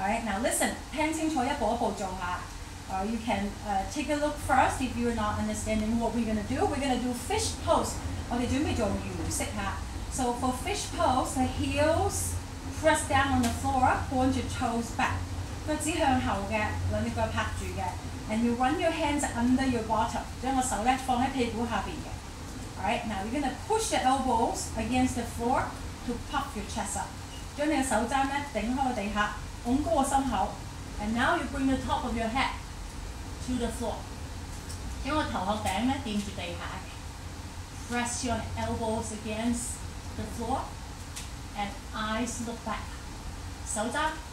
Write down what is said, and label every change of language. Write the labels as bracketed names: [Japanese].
[English] Alright, now listen, [Cantonese] 聽清楚一步一步做下。 [English] You can take a look first if you're not understanding what we're going to do. We're going to do fish pose. [Cantonese] 我們準備做魚式嚇。 [English] So for fish pose, the heels press down on the floor, point your toes back. [Cantonese] 腳趾向後嘅，兩隻腳拍住嘅。 [English] And you run your hands under your bottom, [Cantonese] 將個手咧放喺屁股下邊嘅。 [English] Alright, now you're going to push your elbows against the floor to puff your chest up. [Cantonese] 將你的手踭頂開地下，拱高個心口。 [English] And now you bring the top of your head to the floor. [Cantonese] 將我頭殼頂墊住地下。 [English] Press your elbows against the floor and eyes look back. 手踭